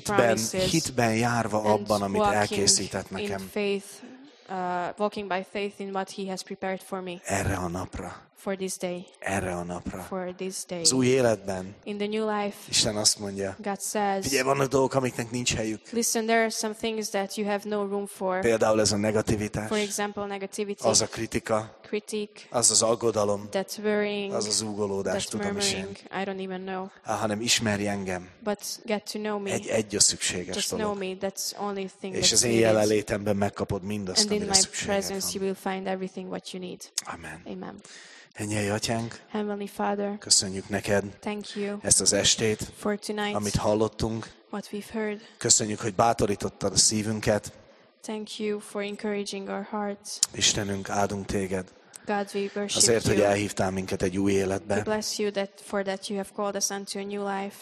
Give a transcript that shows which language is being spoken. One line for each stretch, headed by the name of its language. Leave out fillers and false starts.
Hungarian: promises. És hitben járva abban, amit elkészített nekem.
English: In faith, walking by faith in what he has prepared for me.
Hungarian: Erre a napra.
English: For this day.
Hungarian: Erre a napra.
English: For this day.
Hungarian: Az új életben.
English: In the new life.
Hungarian: Isten azt mondja.
English: God says.
Hungarian: Figyelj, vannak dolgok, amiknek nincs helyük.
English: Listen, there are some things that you have no room for.
Hungarian: Például ez a negativitás.
English: For example, negativity.
Hungarian: Az a kritika.
English: Critic.
Hungarian: Az az aggodalom.
English: That's worrying.
Hungarian: Az az zúgolódás, tudom is én.
English: I don't even know.
Hungarian: Hanem ismerj engem.
English: But get to know me.
Hungarian: Egy a szükséges
English: just
Hungarian: dolog.
English: Know me. That's only thing
Hungarian: és
English: that's
Hungarian: az én jelenlétemben megkapod mindazt,
English: and
Hungarian: amire szükséged van.
English: In my presence you will find everything what you need.
Hungarian: Amen.
English: Amen.
Hungarian: Mennyei Atyánk,
English: Heavenly Father,
Hungarian: köszönjük neked
English: thank you
Hungarian: ezt az estét,
English: for tonight,
Hungarian: amit hallottunk.
English: What we've heard.
Hungarian: Köszönjük, hogy bátorítottad a szívünket.
English: Thank you for encouraging our hearts.
Hungarian: Istenünk, áldunk téged.
English: God, we worship
Hungarian: azért,
English: you.
Hungarian: Hogy elhívtál minket egy új életbe.
English: We bless you that for that you have called us into a new life.